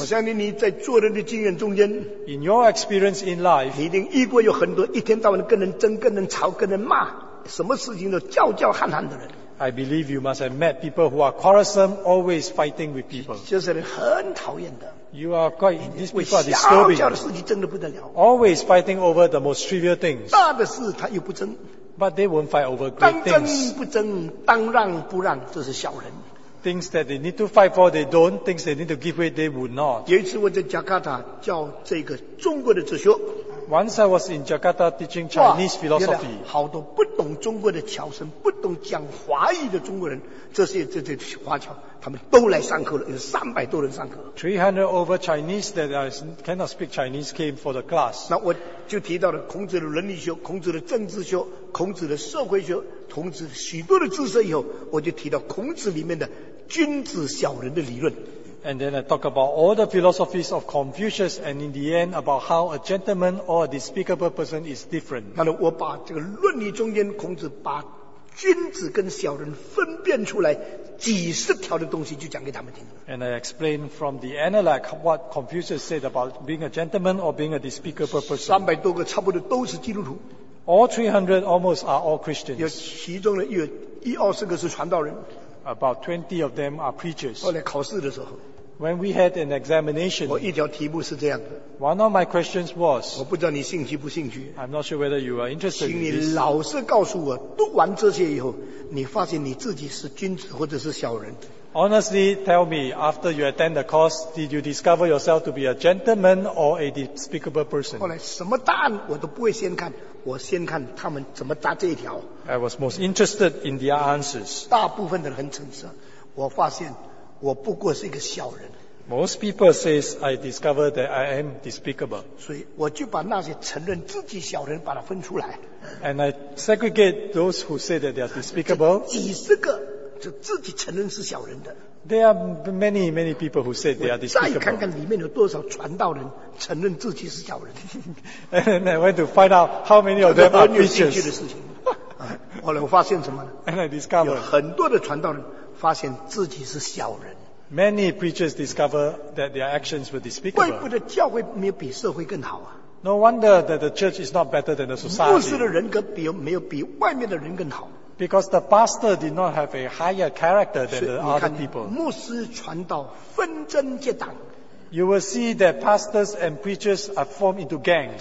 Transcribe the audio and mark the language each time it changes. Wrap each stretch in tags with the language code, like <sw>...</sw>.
<zh>我相信你在做人的经验中间</zh> <en>，In your experience in life，</en> <zh>你一定遇过有很多一天到晚跟人争、跟人吵、跟人骂，什么事情都叫叫喊喊的人。</zh> <en>I believe you must have met people who are quarrelsome, always fighting with people.</en> <zh>这是很讨厌的。</zh> <en>You are quite these people are disturbing.</en> <zh>为小小的事情争得不得了。</zh> <en>Always fighting over the most trivial things.</en> <zh>大的事他又不争。</zh> <en>But they won't fight over great things.</en> <zh>当争不争，当让不让，这是小人。</zh> <en>Things that they need to fight for, they don't. Things they need to give way, they would not.</en> <zh>有一次我在加加达教这个中国的哲学。</zh> <en>Once I was in Jakarta teaching Chinese philosophy.</en> <zh>好多不懂中国的侨生，不懂讲华语的中国人，这些华侨，他们都来上课了，有300多人上课。</zh> <en>300 over Chinese that cannot speak Chinese came for the class.</en> <zh>那我就提到了孔子的伦理学、孔子的政治学、孔子的社会学。孔子许多的知识以后，我就提到孔子里面的君子小人的理论。</zh> <en>And then I talk about all the philosophies of Confucius, and in the end about how a gentleman or a despicable person is different.</en> <zh>那我把这个论理中间孔子把君子跟小人分辨出来几十条的东西，就讲给他们听。</zh> <en>And I explain from the Analect what Confucius said about being a gentleman or being a despicable person.</en> <zh>300多个差不多都是基督徒。</zh> <en>All 300 almost are all Christians.</en> <zh>有其中的有一二十个是传道人。</zh> <en>About 20 of them are preachers.</en> <zh>后来考试的时候。</zh> <en>When we had an examination.</en> <zh>我一条题目是这样的。</zh> <en>One of my questions was.</en> <zh>我不知道你兴趣不兴趣。</zh> <en>I'm not sure whether you are interested.</en> <zh>请你老实告诉我，读完这些以后，你发现你自己是君子或者是小人。</zh> <en>Honestly, tell me, after you attend the course, did you discover yourself to be a gentleman or a despicable person?</en> <zh>后来什么答案我都不会先看，我先看他们怎么答这一条。</zh> <en>I was most interested in their answers.</en> <zh>大部分的人很诚实，我发现我不过是一个小人。</zh> <en>Most people say, I discovered that I am despicable.</en> <zh>所以我就把那些承认自己小人把它分出来。</zh> <en>And I segregate those who say that they are despicable.</en> <zh>几十个。就自己承认是小人的。</zh> <en>There are many, many people who say they are despicable.</en> <zh>再看看里面有多少传道人承认自己是小人。</zh> <en>And I went to find out how many of them are preachers.</en> <zh>后来我发现什么呢？</zh> <en>And I discovered.</en> <zh>有很多的传道人发现自己是小人。</zh> <en>Many preachers discover that their actions were despicable.</en> <zh>怪不得教会没有比社会更好啊。</zh> <en>No wonder that the church is not better than the society.</en> <zh>牧师的人格没有比外面的人更好。</zh> <en>Because the pastor did not have a higher character than the other people.</en> <zh>牧师传道纷争结党。</zh> <en>You will see that pastors and preachers are formed into gangs.</en>